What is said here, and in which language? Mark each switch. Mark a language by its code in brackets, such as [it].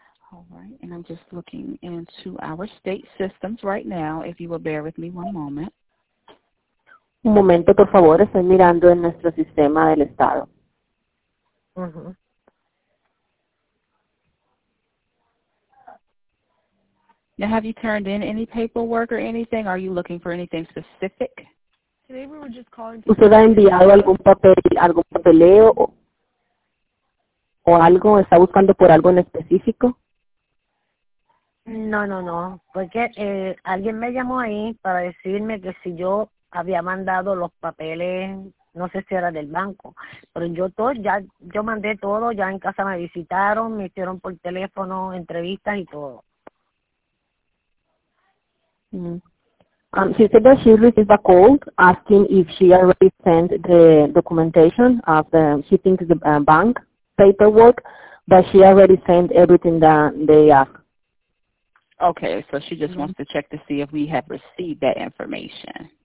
[en] All right, and I'm just looking into our state systems right now, if you will bear with me one moment. [es] Un momento, por favor, estoy mirando en nuestro sistema del estado. Mm-hmm. [en] Now, have you turned in any paperwork or anything? Are you looking for anything specific? Today we were just calling. [es] ¿Usted ha enviado algún papeleo o algo? ¿Está buscando por algo en específico? No. Porque alguien me llamó ahí para decirme que si yo había mandado los papeles. No sé si era del banco, pero yo mandé todo, ya en casa me visitaron, me hicieron por teléfono entrevistas y todo. [en] She said that she received a call asking if she already sent the documentation of the, she thinks the bank paperwork, but she already sent everything that they asked. Okay, so she just wants to check to see if we have received that information.